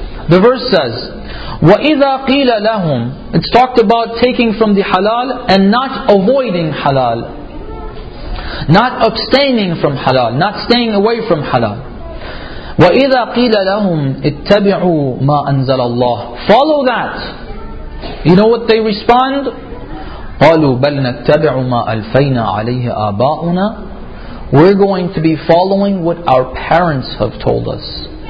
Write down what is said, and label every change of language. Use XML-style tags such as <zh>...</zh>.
<en>The verse says,</en> <ar>وَإِذَا قِيلَ لَهُمْ,</ar> <en>it's talked about taking from the halal and not avoiding halal. Not abstaining from halal, not staying away from halal.</en> <ar>وَإِذَا قِيلَ لَهُمْ اتَّبِعُوا مَا أَنزَلَ اللَّهِ,</ar> <en>follow that. You know what they respond?</en> <ar>قَالُوا بَلْ نَتَّبِعُ مَا أَلْفَيْنَا عَلَيْهِ آبَاؤُنَا,</ar> <en>we're going to be following what our parents have told us.</en>